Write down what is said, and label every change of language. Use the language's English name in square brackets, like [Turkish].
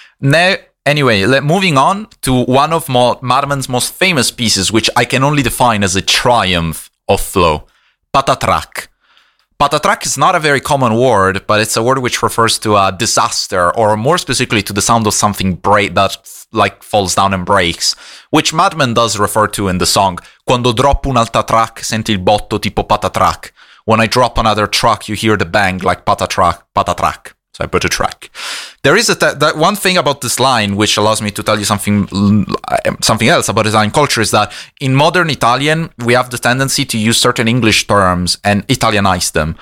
[English] Now, anyway, moving on to one of Madman's most famous pieces, which I can only define as a triumph of flow, Patatrac. Patatrac is not a very common word, but it's a word which refers to a disaster, or more specifically to the sound of something that falls down and breaks, which Madman does refer to in the song. [Italian] Quando droppo un'altra track, senti il botto tipo patatrac. [English] When I drop another track, you hear the bang like patatrac, patatrac. So I put a track. There is that one thing about this line which allows me to tell you something else about Italian culture is that in modern Italian, we have the tendency to use certain English terms and Italianize them.